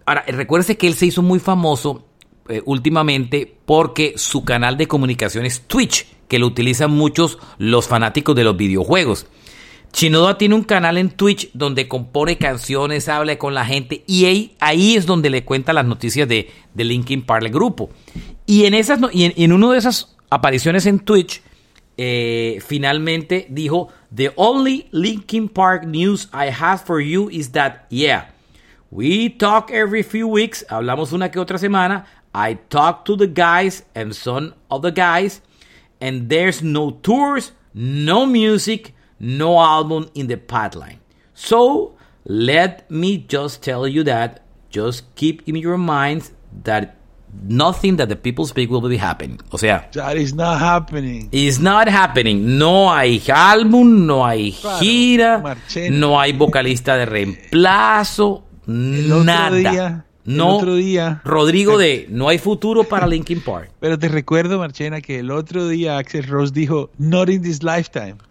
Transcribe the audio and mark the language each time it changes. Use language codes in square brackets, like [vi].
[es] Ahora, recuérdese que él se hizo muy famoso últimamente porque su canal de comunicación es Twitch, que lo utilizan muchos los fanáticos de los videojuegos. Shinoda tiene un canal en Twitch donde compone canciones, habla con la gente, y ahí es donde le cuenta las noticias de Linkin Park, el grupo. Y en una de esas apariciones en Twitch... finalmente dijo: [en] "The only Linkin Park news I have for you is that, yeah, we talk every few weeks." [es] Hablamos una que otra semana. [en] "I talk to the guys and some of the guys, and there's no tours, no music, no album in the pipeline. So let me just tell you that. Just keep in your minds that nothing that the people speak will be happening." [es] O sea, [en] that is not happening. It's not happening. [es] No hay álbum, no hay gira, Marchena. No hay vocalista de reemplazo, El otro día. Rodrigo de "No hay futuro para Linkin Park". Pero te recuerdo, Marchena, que el otro día Axl Rose dijo: [en] "Not in this lifetime".